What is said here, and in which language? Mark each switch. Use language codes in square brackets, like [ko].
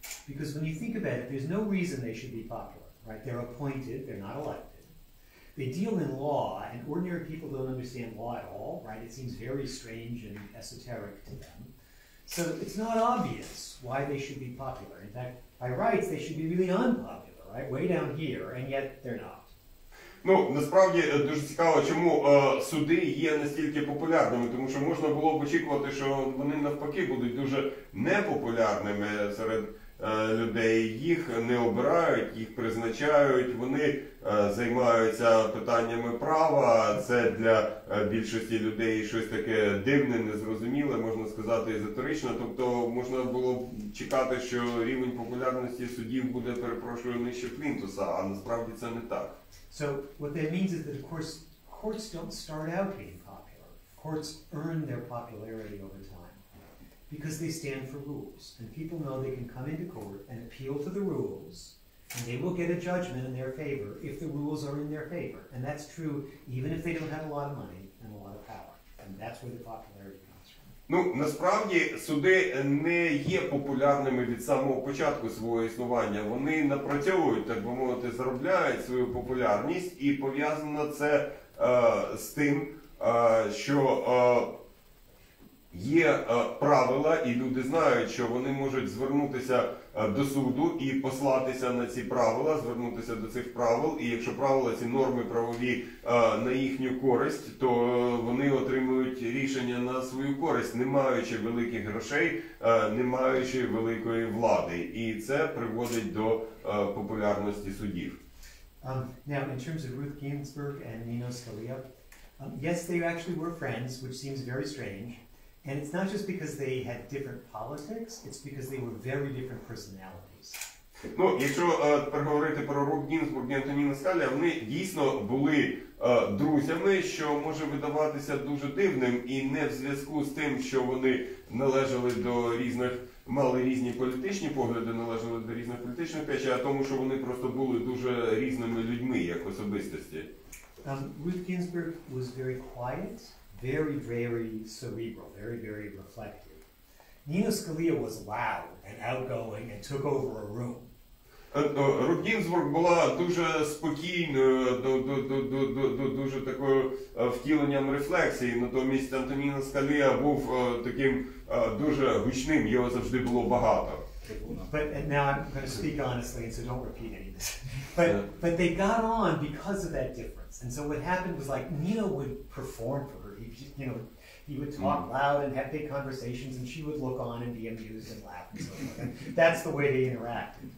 [en] Because when you think about it, there's no reason they should be popular. Right? They're appointed, they're not elected. They deal in law, and ordinary people don't understand law at all, right? It seems very strange and esoteric to them. So it's not obvious why they should be popular. In fact, by rights, they should be really unpopular, right? Way down here, and yet they're not. [uk] Ну, насправді, дуже цікаво, чому суди є настільки популярними, тому що можна було б очікувати, що вони навпаки будуть дуже непопулярними серед людей. Їх не обирають, їх призначають, вони займаються питаннями права, це для більшості людей щось таке дивне, незрозуміле, можна сказати, езотерично. Тобто можна було б чекати, що рівень популярності суддів буде, перепрошую, нижче плінтуса, а насправді це не так. [en] So what that means is that, of course, courts don't start out being popular. Courts earn their popularity over time. Because they stand for rules. And people know they can come into court and appeal to the rules, and they will get a judgment in their favor if the rules are in their favor. And that's true even if they don't have a lot of money and a lot of power. And that's where the popularity comes from. [uk] Ну, насправді, суди не є популярними від самого початку свого існування. Вони напрацьовують, так би мовити, заробляють свою популярність. І пов'язано це з тим, що є правила, і люди знають, що вони можуть звернутися до суду і послатися на ці правила, звернутися до цих правил, і якщо правила, ці норми правові на їхню користь, то вони отримують рішення на свою користь, не маючи великих грошей, не маючи великої влади. І це приводить до популярності судів. [en] Now, in terms of Ruth Ginsburg and Nino Scalia, yes, they actually were friends, which seems very strange. And it's not just because they had different politics, it's because they were very different personalities. [uk] Ну, якщо переговорити про Рут Гінзбург і Антоніна Скалія, вони дійсно були друзями, що може видаватися дуже дивним, і не в зв'язку з тим, що вони належали до різних, мали різні політичні погляди, належали до різних політичних течій, а тому, що вони просто були дуже різними людьми, як особистості. [en] Рут Гінзбург was very quiet. Very, very cerebral, very, very reflective. Nino Scalia was loud and outgoing and took over a room. [uk] Рут Гінзбург була дуже спокійною, дуже такою втіленням рефлексії. Натомість Антоніна Скалія був таким дуже гучним, його завжди було багато. [en] But now I'm going to speak honestly, and so don't repeat any of this. But they got on because of that difference. And so what happened was like Nino would perform for her. He would talk loud and have big conversations, and she would look on and be amused and laugh. And so that's the way they interacted.